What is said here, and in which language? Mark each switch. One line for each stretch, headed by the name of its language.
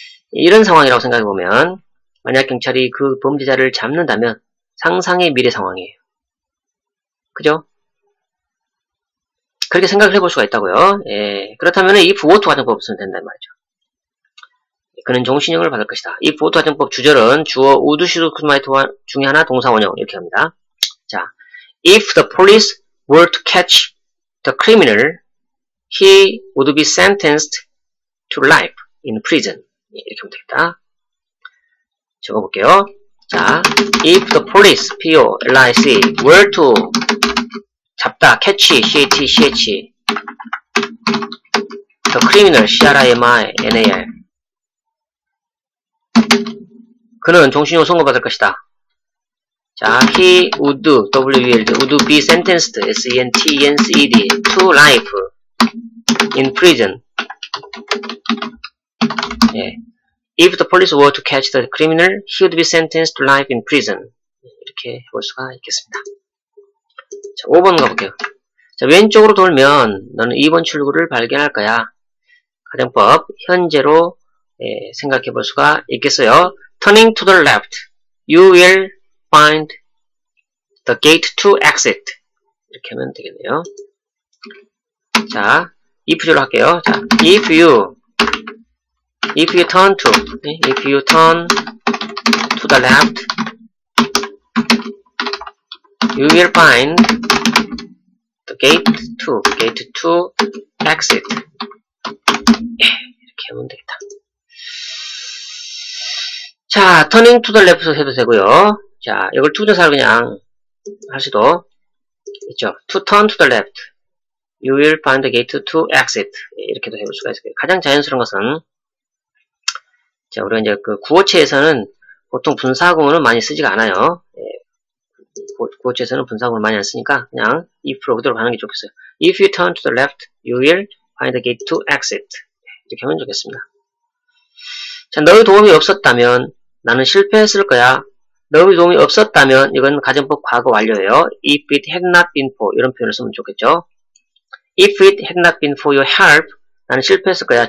Korean: 이런 상황이라고 생각해 보면 만약 경찰이 그 범죄자를 잡는다면 상상의 미래 상황이에요. 그죠? 그렇게 생각을 해볼 수가 있다고요. 예. 그렇다면, if what 가정법을 쓰면 된단 말이죠. 그는 종신형을 받을 것이다. if what 가정법 주절은 주어,
English: would, should, could, might
Korean: 중에 하나 동사원형. 이렇게 합니다.
English: 자, if the police were to catch the criminal, he would be sentenced to life in prison.
Korean: 예, 이렇게 하면 되겠다. 적어볼게요. 자,
English: if the police,
Korean: P-O-L-I-C,
English: were to
Korean: 잡다, catch, C-A-T-C-H,
English: the criminal,
Korean: C-R-I-M-I-N-A-L. 그는 종신형 선고받을 것이다.
English: 자, he would, W-E-L-D, would be sentenced, S-E-N-T-E-N-C-E-D, to life, in prison. 예. If the police were to catch the criminal, he would be sentenced to life in prison.
Korean: 이렇게 해볼 수가 있겠습니다. 자, 5번 가볼게요. 자, 왼쪽으로 돌면 너는 2번 출구를 발견할 거야. 가정법, 현재로 생각해 볼 수가 있겠어요.
English: Turning to the left, you will find the gate to exit.
Korean: 이렇게 하면 되겠네요. 자, if로 할게요.
English: 자, if you turn to the left, you will find the gate to exit.
Korean: 이렇게 하면 되겠다. 자,
English: turning to the left
Korean: 해도 되고요. 자, 이걸 to 조사를 그냥 할 수도 있죠.
English: To turn to the left, you will find the gate to exit.
Korean: 이렇게도 해볼 수가 있어요. 가장 자연스러운 것은, 자, 우리가 이제 그 구어체에서는 보통 분사구문을 많이 쓰지가 않아요. 예, 구어체에서는 분사구문을 많이 안 쓰니까 그냥 if로 그대로 가는 게 좋겠어요.
English: If you turn to the left, you will find the gate to exit.
Korean: 이렇게 하면 좋겠습니다. 자, 너의 도움이 없었다면 나는 실패했을 거야. 너의 도움이 없었다면 이건 가정법 과거 완료예요.
English: If it had not been for,
Korean: 이런 표현을 쓰면 좋겠죠.
English: If it had not been for your help,
Korean: 나는 실패했을 거야.